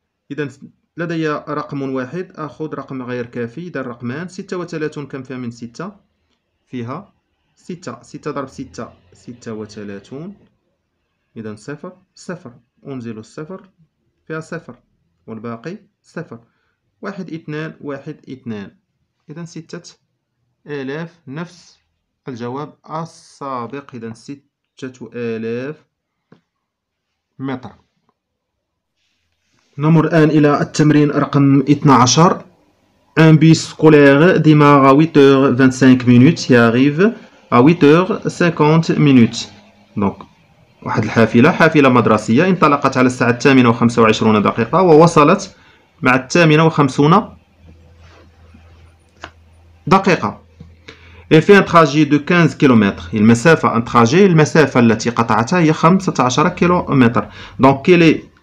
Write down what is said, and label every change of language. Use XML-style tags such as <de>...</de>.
<ar>إذا لدي رقم واحد، أخذ رقم غير كافي، إذا رقمان، 36 كم فيها من 6؟ فيها 6، 6 ضرب 6 36، إذا 0 0، أنزل الصفر فيها 0 والباقي 0، 1 2 1 2، إذا 6000 نفس الجواب السابق، إذا 6000 متر. نمر الآن إلى التمرين رقم 12.</ar> <fr>Un bus scolaire démarre à 8h25 minutes et arrive à 8h50 minutes.</fr> <ar>Donc, واحد الحافلة، حافلة مدرسية انطلقت على الساعة 8:25 دقيقة ووصلت مع 8:50 دقيقة.</ar> <fr>Il fait un trajet de 15 km.</fr> <ar>المسافة، un trajet، المسافة التي قطعتها هي 15 كيلومتر.</ar> <fr>Donc quel est</fr>